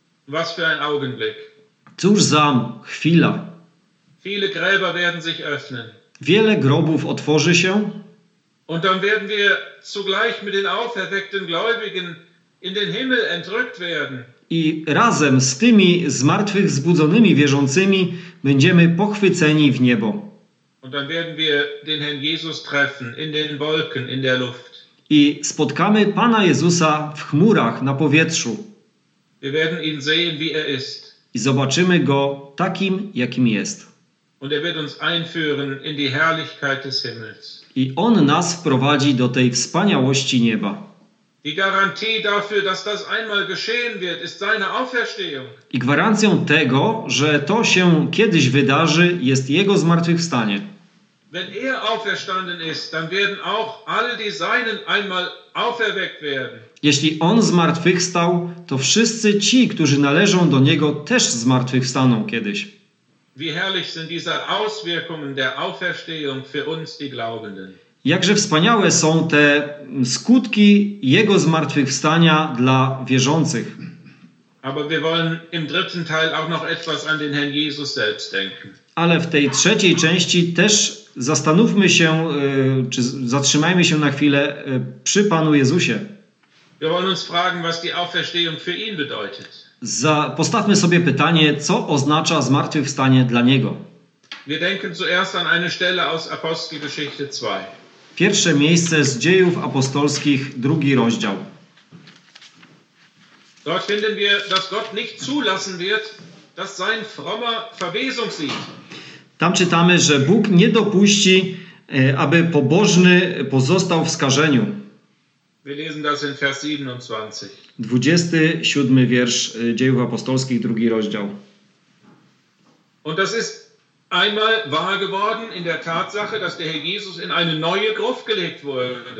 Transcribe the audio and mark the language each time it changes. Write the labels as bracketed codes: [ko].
[de] Was für ein Augenblick. [pl] Cóż za chwila. [de] Viele Gräber werden sich öffnen. [pl] Wiele grobów otworzy się. [de] Und dann werden wir zugleich mit den auferweckten Gläubigen in den Himmel entrückt werden. [pl] I razem z tymi zmartwychwzbudzonymi wierzącymi będziemy pochwyceni w niebo. [de] Und dann werden wir den Herrn Jesus treffen in den Wolken, in der Luft. [pl] I spotkamy Pana Jezusa w chmurach, na powietrzu. [de] Wir werden ihn sehen, wie er ist. [pl] I zobaczymy Go takim, jakim jest. [de] Und er wird uns einführen in die Herrlichkeit des Himmels. [pl] I On nas wprowadzi do tej wspaniałości nieba. [de] Die Garantie dafür, dass das einmal geschehen wird, ist seine Auferstehung. [pl] I gwarancją tego, że to się kiedyś wydarzy, jest Jego zmartwychwstanie. [de] Wenn er auferstanden ist, dann werden auch alle die Seinen einmal auferweckt werden. [pl] Jeśli On zmartwychwstał, to wszyscy ci, którzy należą do Niego, też zmartwychwstaną kiedyś. [de] Wie herrlich sind diese Auswirkungen der Auferstehung für uns, die Glaubenden. [pl] Jakże wspaniałe są te skutki Jego zmartwychwstania dla wierzących. [de] Aber wir wollen im dritten Teil auch noch etwas an den Herrn Jesus selbst denken. [pl] Ale w tej trzeciej części też zastanówmy się, czy zatrzymajmy się na chwilę przy Panu Jezusie. [de] Wir wollen uns fragen, was die Auferstehung für ihn bedeutet. [pl] Postawmy sobie pytanie, co oznacza zmartwychwstanie dla Niego. [de] Wir denken zuerst an eine Stelle aus Apostelgeschichte 2. [pl] Pierwsze miejsce z Dziejów Apostolskich, drugi rozdział. [de] Dort finden wir, dass Gott nicht zulassen wird, dass sein frommer Verwesung sieht. [pl] Tam czytamy, że Bóg nie dopuści, aby pobożny pozostał w skażeniu. [de] Wir lesen das in Vers 27. [pl] 27 wiersz Dziejów Apostolskich, drugi rozdział. [de] Und das ist einmal wahr geworden in der Tatsache, dass der Herr Jesus in eine neue Gruft gelegt wurde.